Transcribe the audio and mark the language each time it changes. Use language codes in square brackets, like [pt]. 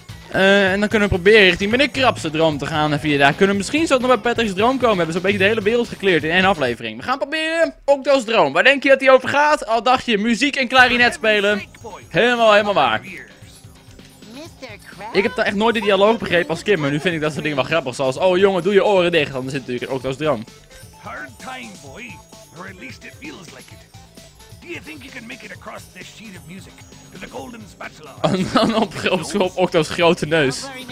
[nl] En dan kunnen we proberen richting meneer Krabse droom te gaan en via daar kunnen we misschien zo nog bij Patrick's droom komen. We hebben zo'n beetje de hele wereld gecleared in één aflevering. We gaan proberen Octo's droom. Waar denk je dat die over gaat? Al dacht je muziek en klarinet spelen. Helemaal waar. Me Ik heb daar echt nooit de dialoog begrepen als kind, maar nu vind ik dat soort dingen wel grappig. Zoals, oh jongen, doe je oren dicht. Dan zit natuurlijk ook als drum. [en] Hard time, boy. Or at least it feels like it. Do you think you can make it across this sheet of music? The Golden Spatula. [nl] En dan op Octo's grote neus.